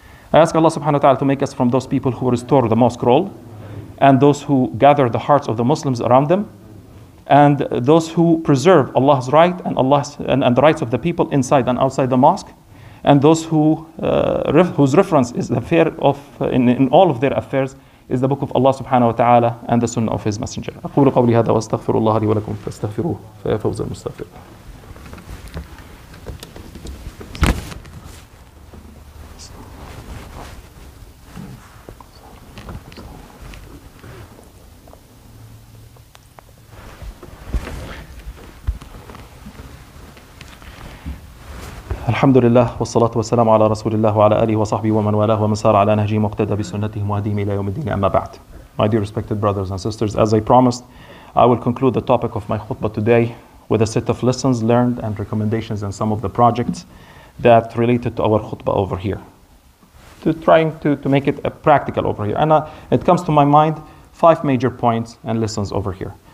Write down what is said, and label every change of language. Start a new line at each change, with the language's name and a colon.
English: I ask Allah subhanahu wa ta'ala to make us from those people who restore the mosque role and those who gather the hearts of the Muslims around them and those who preserve Allah's right and Allah's and the rights of the people inside and outside the mosque and those who whose reference is the fair of in all of their affairs is the book of Allah subhanahu wa ta'ala and the sunnah of his messenger.
Arabic: أقول قولي هذا واستغفر الله لي ولكم فاستغفروه فيا فوز المستغفر. الحمد لله والصلاة والسلام على رسول الله وعلى آله وصحبه ومن والاه ومن سار على نهجه مقتدى بسنته مهديه إلى يوم الدين أما بعد.
English: My dear respected brothers and sisters, as I promised, I will conclude the topic of my khutbah today with a set of lessons learned and recommendations and some of the projects that related to our khutbah over here. To trying to make it a practical over here. And it comes to my mind five major points and lessons over here.